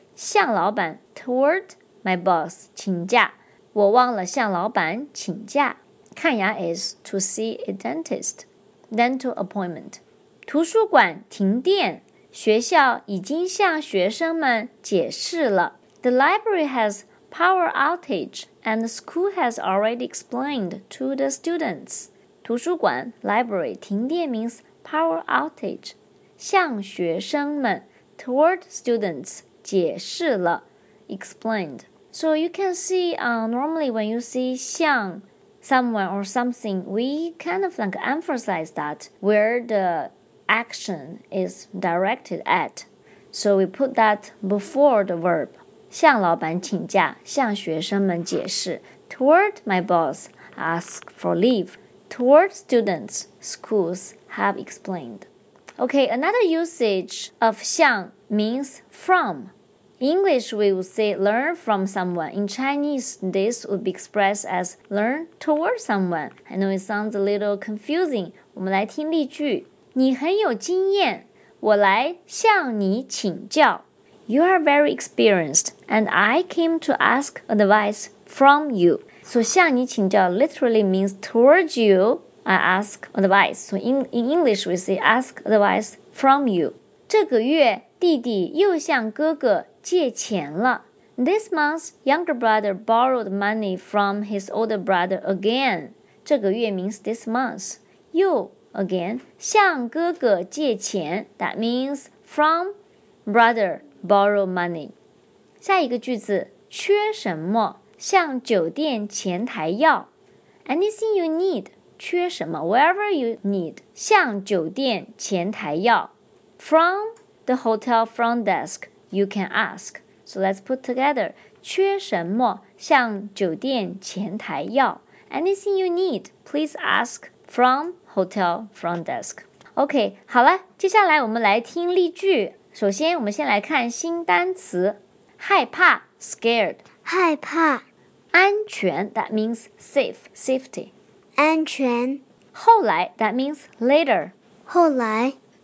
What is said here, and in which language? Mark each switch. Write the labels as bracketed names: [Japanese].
[Chinese] 向老板 [English] toward my boss [Chinese] 请假，我忘了向老板请假。 [English] 看牙 is to see a dentist, dental appointment. [Chinese] 图书馆停电，学校已经向学生们解释了。 [English] The library has power outage, and the school has already explained to the students. 图书馆 library 停电 means. Power outage, 向学生们 toward students, 解释了 explained. So you can see, normally when you see 向 someone or something, we kind of like emphasize that where the action is directed at. So we put that before the verb. [Chinese] 向老板请假，向学生们解释 [English] toward my boss, ask for leave, toward students, schools,have explained. Okay, another usage of 向 means from. In English, we would say learn from someone. In Chinese, this would be expressed as learn toward someone. I know it sounds a little confusing. [Chinese] 我们来听例句。你很有经验,我来向你请教。 [English] You are very experienced, and I came to ask advice from you. So 向你请教 literally means toward you,I ask advice. So in English, we say ask advice from you. [Chinese] 这个月 [English] D [Chinese] 弟弟又向哥哥借钱了。 [English] This month, younger brother borrowed money from his older brother again. 这个月 means this month. 又 again, [Chinese] 向哥哥借钱。 [English] That means from brother borrow money. [Chinese] 下一个句子，缺什么？向酒店前台要。 [English] Anything you need, [Chinese] 缺什么？ [English] Whatever you need, [Chinese] 向酒店前台要。 [English] From the hotel front desk, you can ask. So let's put together. [Chinese] 缺什么？向酒店前台要。 [English] Anything you need, please ask from hotel front desk. OK, [Chinese] 好了，接下来我们来听例句。首先我们先来看新单词。 [English] 害怕 scared. [Chinese] 害怕。 [English] 安全 that means safe, safety. [Chinese] 安全。 [English] 后来 that means later. [Chinese] 后来。